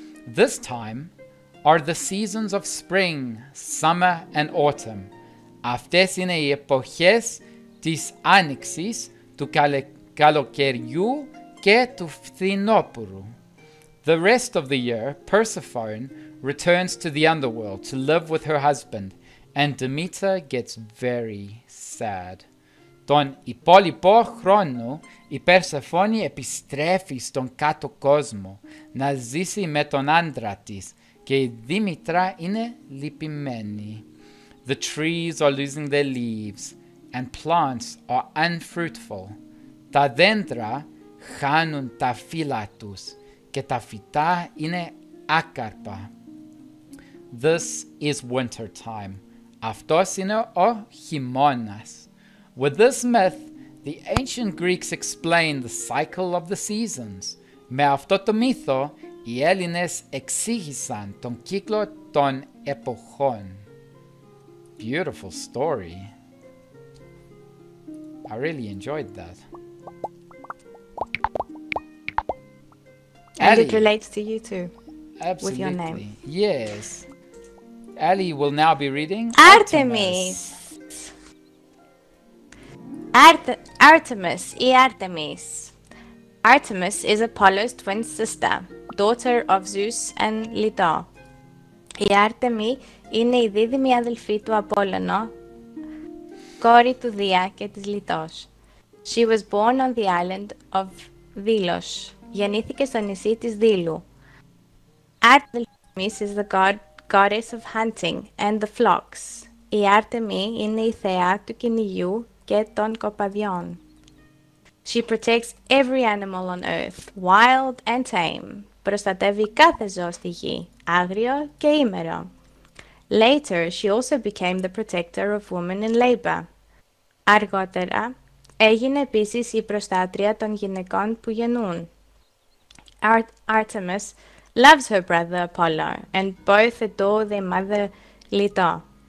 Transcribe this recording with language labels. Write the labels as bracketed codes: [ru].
[en] This time are the seasons of spring, summer and autumn. [el] Αυτές είναι οι εποχές της άνοιξης, του καλοκαιριού και του φθινόπωρου. [en] The rest of the year, Persephone returns to the underworld to live with her husband, and Demeter gets very sad. [el] Τον υπόλοιπο χρόνο, η Περσεφόνη επιστρέφει στον κάτω κόσμο να ζήσει με τον άντρα της, και η Δήμητρα είναι λυπημένη. [en] The trees are losing their leaves, and plants are unfruitful. [el] Τα δέντρα χάνουν τα φύλλα τους και τα φυτά είναι άκαρπα. [en] This is winter time. [el] Αυτός είναι ο χειμώνας. [en] With this myth, the ancient Greeks explained the cycle of the seasons. [el] Με αυτό το μύθο, οι Έλληνες εξήγησαν τον κύκλο των εποχών. [en] Beautiful story. I really enjoyed that. And Ellie. It relates to you too. Absolutely. With your name. Yes. Ellie will now be reading Artemis. Artemis. Artemis is Apollo's twin sister, daughter of Zeus and Leto. [el] Η Άρτεμη είναι η δίδυμη αδελφή του Απόλλωνο, κόρη του Δία και της Λιτός. [en] She was born on the island of Delos. [el] Γεννήθηκε στο νησί της Δήλου. [en] Artemis is the goddess of hunting and the flocks. [el] Η Άρτεμη είναι η θεά του κυνηγιού και των κοπαδιών. [en] She protects every animal on earth, wild and tame. [el] Προστατεύει κάθε ζώο στη γη, άγριο και ήμερο. [en] Later, she also became the protector of women in labor. [el] Αργότερα, έγινε επίσης η προστάτρια των γυναικών που γεννούν. [en] Artemis loves her brother Apollo, and both adore their mother Leto.